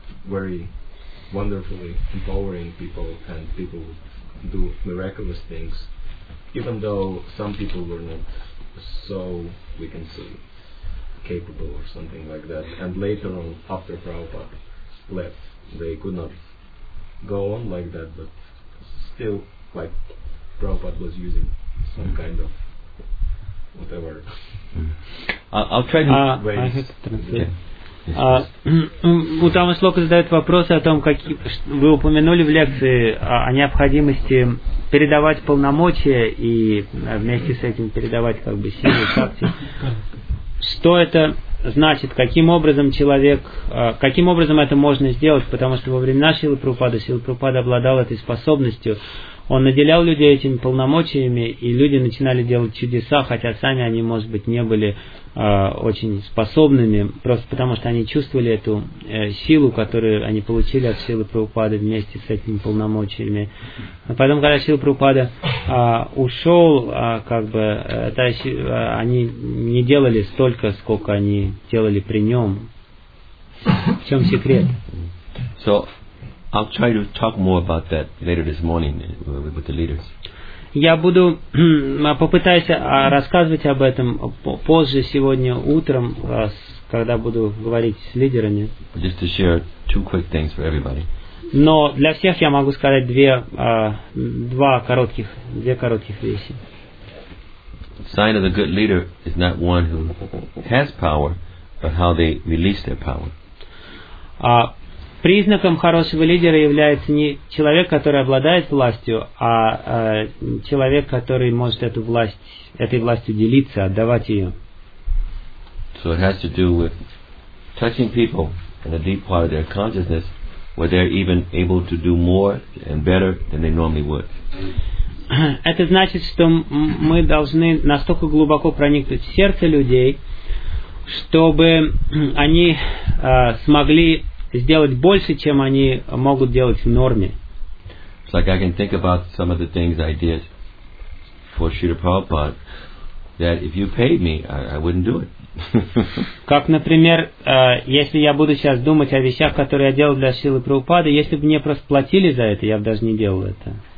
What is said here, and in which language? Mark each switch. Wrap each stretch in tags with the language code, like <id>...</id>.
<en>very wonderfully empowering people, and people do miraculous things, even though some people were not so, we can say, capable or something like that. And later on, after Prabhupada left, they could not go on like that, but still, like, Prabhupada was using some kind of whatever. I'll try to raise translate.</en> <ru>Утама Шлока задает вопросы о том, как вы упомянули в лекции о необходимости передавать полномочия и вместе с этим передавать как бы силу, шакти. Что это значит, каким образом это можно сделать, потому что во времена Шрилы Прабхупады обладал этой способностью. Он наделял людей этими полномочиями, и люди начинали делать чудеса, хотя сами они, может быть, не были очень способными, просто потому что они чувствовали эту силу, которую они получили от Шрилы Прабхупады вместе с этими полномочиями. Но потом, когда Шрила Прабхупада ушел, они не делали столько, сколько они делали при нем. В чем секрет?</ru> <en>So, I'll try to talk more about that later this morning with the leaders.</en> <ru>Я буду попытаюсь рассказывать об этом позже сегодня утром, когда буду говорить с лидерами.</ru> <en>Just to share two quick things for everybody.</en> <ru>Но для всех я могу сказать две коротких вещи.</ru> <en>Sign of the good leader is not one who has power, but how they release their power.</en> <ru>Признаком хорошего лидера является не человек, который обладает властью, а человек, который может эту власть, этой властью делиться, отдавать ее.</ru> <en>So it has to do with touching people in a deep part of their consciousness, where they're even able to do more and better than they normally would.</en> <ru>Это значит, что мы должны настолько глубоко проникнуть в сердце людей, чтобы они смогли сделать больше, чем они могут делать в норме.</ru> <en>It's like I can think about some of the things I did for Srila Prabhupada that if you paid me, I wouldn't do it.</en> <ru>Как, например, если я буду сейчас думать о вещах, которые я делал для Шрилы Прабхупады, если бы мне просто платили за это, я бы даже не делал это.</ru>